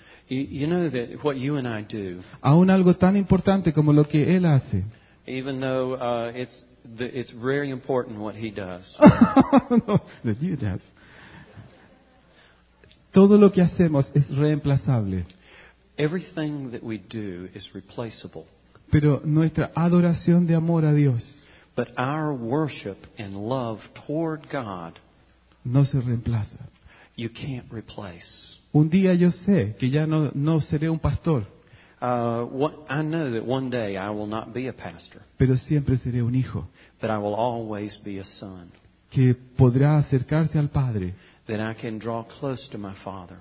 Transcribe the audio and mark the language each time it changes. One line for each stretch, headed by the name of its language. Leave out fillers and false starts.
English: You know that what you and I do,
Spanish: aun algo tan importante como lo que Él hace,
English: even though it's very important what He does,
Spanish: no,
English: that you do,
Spanish: todo lo que hacemos es reemplazable.
English: Everything that we do is replaceable.
Spanish: Pero nuestra adoración de amor a Dios,
English: but our worship and love toward God,
Spanish: no se reemplaza.
English: You can't replace.
Spanish: Un día yo sé que ya no seré un pastor.
English: I know that one day I will not be a pastor.
Spanish: Pero siempre seré un hijo.
English: But I will always be a son.
Spanish: Que podrá acercarse al Padre.
English: That I can draw close to my Father.